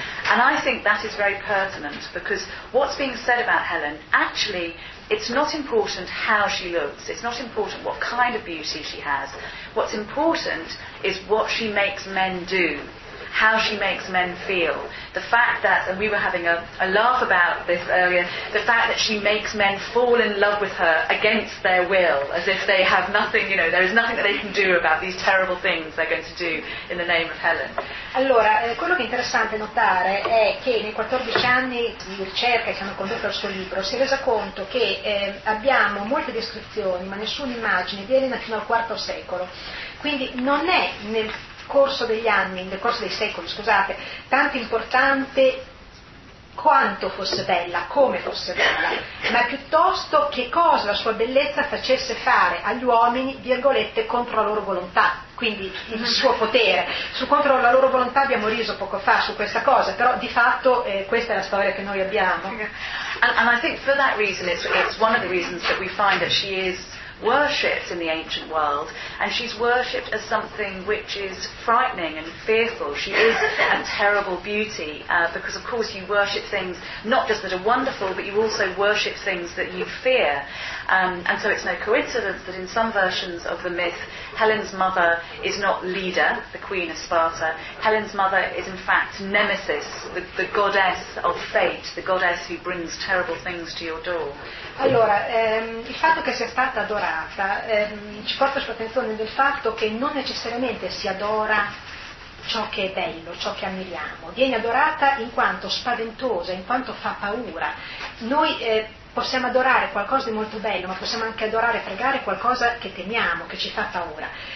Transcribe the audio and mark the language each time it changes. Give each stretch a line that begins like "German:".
English: And I think that is very pertinent, because what's being said about Helen, actually, it's not important how she looks, it's not important what kind of beauty she has. What's important is what she makes men do. how she makes men feel. The fact that, and we were having a laugh about this earlier, the fact that she makes men fall in love with her against their will, as if they have nothing, you know, there is nothing that they can do about these terrible things they're going to do in the name of Helen.
Italian: Allora, quello che è interessante notare è che nei 14 anni di ricerca che hanno condotto al suo libro si è resa conto che abbiamo molte descrizioni, ma nessuna immagine di Elena fino al IV secolo. Quindi non è nel corso dei secoli, tanto importante quanto fosse bella, come fosse bella, ma piuttosto che cosa la sua bellezza facesse fare agli uomini, virgolette, contro la loro volontà, quindi il suo potere. Su contro la loro volontà abbiamo riso poco fa su questa cosa, però di fatto questa è la storia che noi abbiamo.
English: And I think for that reason it's one of the reasons that we find that she is worshipped in the ancient world, and she's worshipped as something which is frightening and fearful. She is a terrible beauty, because of course you worship things not just that are wonderful, but you also worship things that you fear. And so it's no coincidence that in some versions of the myth, Helen's mother is not Leda, the queen of Sparta. Helen's mother is in fact Nemesis, the goddess of fate, the goddess who brings terrible things to your door.
Italian: Allora, il fatto che sia stata adorata ci porta sull'attenzione del fatto che non necessariamente si adora ciò che è bello, ciò che ammiriamo. Viene adorata in quanto spaventosa, in quanto fa paura. Noi possiamo adorare qualcosa di molto bello, ma possiamo anche adorare e pregare qualcosa che temiamo, che ci fa paura.